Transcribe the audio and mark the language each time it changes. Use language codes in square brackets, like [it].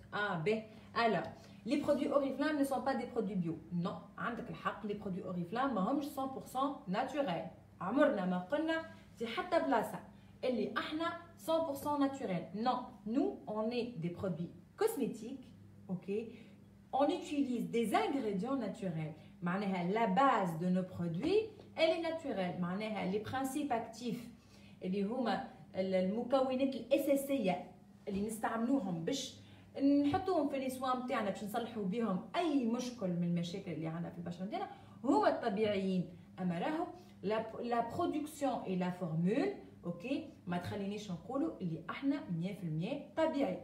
[fr] Ah ben alors les produits Oriflame ne sont pas des produits bio. Non, [ar] عندك الحق، [fr] les produits Oriflame [ar] ماهمش [fr] 100% naturel. [ar] عمرنا ما قلنا في حتى بلاصه اللي احنا [fr] 100% naturel. Non, nous on est des produits cosmétiques, OK? On utilise des ingrédients naturels. [ar] معناها [fr] la base de nos produits elle est naturelle. [ar] معناها [fr] les principes actifs [ar] اللي هما المكونات الاساسيه اللي نستعملوهم باش نحطوهم في الاسوان نتاعنا باش نصلحوا بهم اي مشكل من المشاكل اللي عندنا في البشره نتاعنا هما الطبيعيين. اما راهو لا برودكسيون اي لا فورمول، اوكي ما تخلينيش نقولوا اللي احنا 100% طبيعي.